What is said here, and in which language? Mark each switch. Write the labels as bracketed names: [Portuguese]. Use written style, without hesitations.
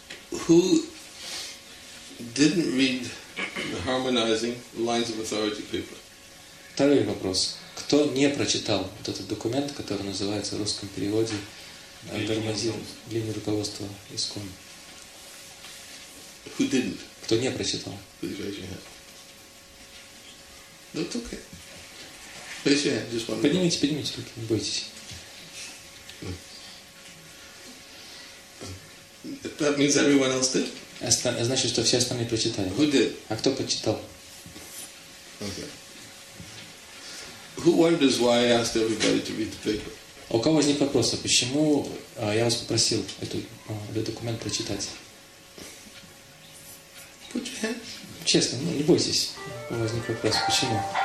[English] Who didn't read the harmonizing lines of authority paper? [Russian] Второй вопрос. Кто не прочитал вот этот документ, который называется в русском переводе «Гармазин линии руководства ИСККОН»? [English] Who didn't? [Russian] Кто не прочитал? [English] Please raise your hand. That's okay. Raise your hand. Just one. [Russian] Поднимите руки, не бойтесь. [English] That means everyone else did. [Russian] Значит, что все остальные прочитали. [English] Who did? [Russian] А кто прочитал? [English] Okay. Who wonders why I asked everybody to read the paper? [Russian] У кого возник вопрос, почему я вас попросил этот документ прочитать? Put your hands. Честно, не бойтесь. У кого возник вопрос, почему?